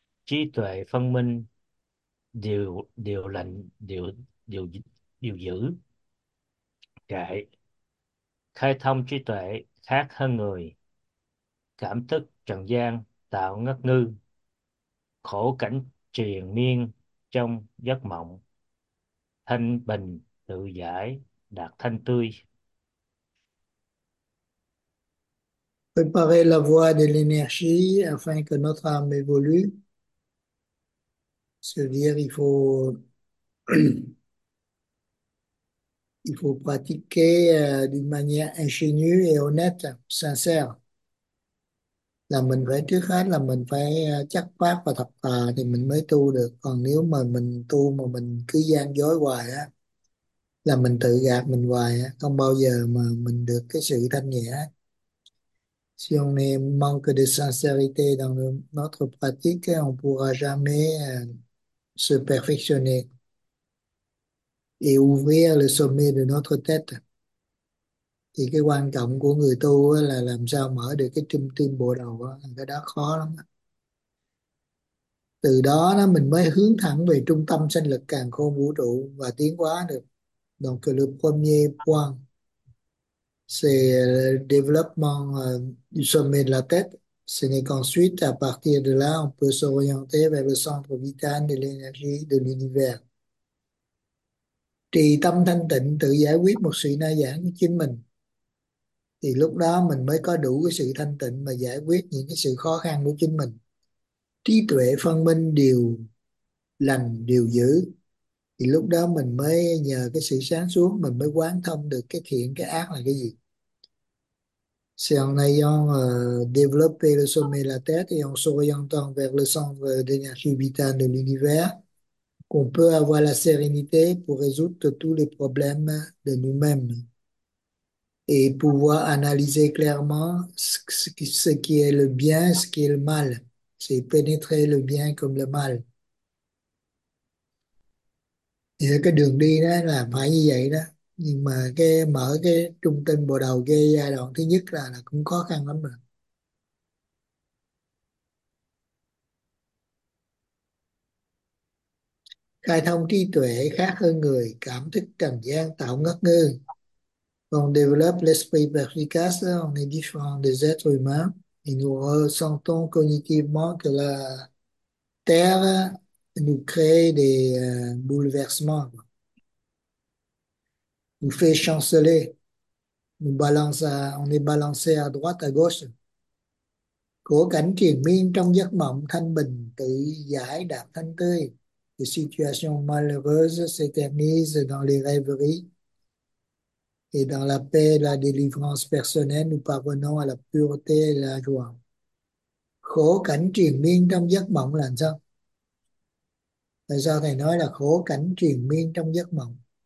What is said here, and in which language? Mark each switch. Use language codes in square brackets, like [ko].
[vi] trí tuệ phân minh điều điều lành điều điều điều dữ kệ khai thông trí tuệ khác hơn người cảm thức trần gian tạo ngất ngư khổ cảnh triền miên trong giấc mộng thanh bình tự giải đạt thanh tươi. [fr] Préparer la voie de l'énergie afin que notre âme évolue. C'est-à-dire, il faut pratiquer d'une manière ingénue et honnête, sincère. [vi] Là mình phải trước hết là mình phải chất phác và thật thà thì mình mới tu được. Còn nếu mà mình tu mà mình cứ gian dối hoài á, là mình tự gạt mình hoài á, không bao giờ mà mình được cái sự thanh nhẹ. [fr] Si on est manque de sincérité dans notre pratique, on ne pourra jamais se perfectionner et ouvrir le sommet de notre tête. [vi] Thì cái quan trọng của người tu là làm sao mở được cái trung tâm bộ đầu, cái đó khó lắm. Từ đó mình mới hướng thẳng về trung tâm sinh lực càn khôn vũ trụ và tiến hóa được. [fr] Donc le premier point, c'est le développement du sommet de la tête. Ce n'est qu'ensuite, à partir de là, on peut s'orienter vers le centre vital de l'énergie de l'univers. [vi] Trì tâm thanh tịnh, tự giải quyết một sự na giảng của chính mình. Thì lúc đó mình mới có đủ cái sự thanh tịnh mà giải quyết những cái sự khó khăn của chính mình. Trí tuệ phân minh điều lành, điều dữ. Thì lúc đó mình mới nhờ cái sự sáng suốt mình mới quán thông được cái thiện cái ác là cái gì. [fr] Si on ayant développé le sommet de la tête et en s'orientant vers le centre d'énergie vitale de l'univers, qu'on peut avoir la sérénité pour résoudre tous les problèmes de nous-mêmes et pouvoir analyser clairement ce qui est le bien, ce qui est le mal. C'est pénétrer le bien comme le mal. [vi] Thì cái đường đi đó là phải như vậy đó, nhưng mà cái mở cái trung tâm bộ đầu kia giai đoạn thứ nhất là cũng khó khăn lắm rồi. Khai thông trí tuệ khác hơn người, cảm thức trần gian tạo ngất ngư. [fr] On développe l'esprit perspicace, on est différent des êtres humains, et nous ressentons cognitivement que la Terre nous crée des bouleversements, nous fait chanceler, nous balance à, on est balancé à droite à gauche. [vi] Cổ cảnh triền miên trong giấc mộng thanh bình tự giải đạt thanh tươi. [fr] Les situations malheureuses s'éternisent dans les rêveries et dans la paix, la délivrance personnelle, nous parvenons à la pureté et la joie. [vi] Khổ cảnh triền miên trong giấc mộng là sao? Tại sao thầy nói là khổ cảnh triền miên trong giấc mộng?